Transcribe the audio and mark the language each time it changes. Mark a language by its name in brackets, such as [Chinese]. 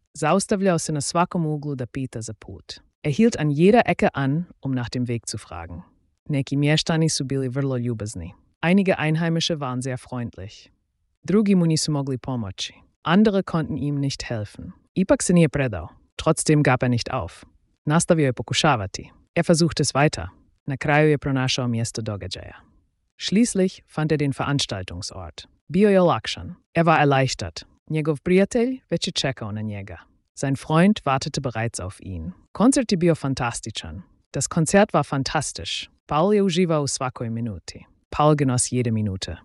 [Croatian] Zaustavljao se na svakom uglu da pita za put. [German] Er hielt an jeder Ecke an, um nach dem Weg zu fragen. [Croatian] Neki mještani su bili vrlo ljubazni. [German] Einige Einheimische waren sehr freundlich. [Croatian] Drugi mu nisu mogli pomoći. [German] Andere konnten ihm nicht helfen. [Croatian] Ipak se nije predao. [German] Trotzdem gab er nicht auf. [Croatian] Nastavio je pokušavati. [German] Er versuchte es weiter. [Croatian] Na kraju je pronašao mjesto događaja. [German] Schließlich fand er den Veranstaltungsort. [Croatian] Bio je lakšan. [German] Er war erleichtert. [Croatian] Njegov prijatelj već je čekao na njega. [German] Sein Freund wartete bereits auf ihn. [Croatian] Konzert je bio fantastičan. [German] Das Konzert war fantastisch. [Croatian] Paul je uživao u svakoj minuti. [German] Paul genoss jede Minute.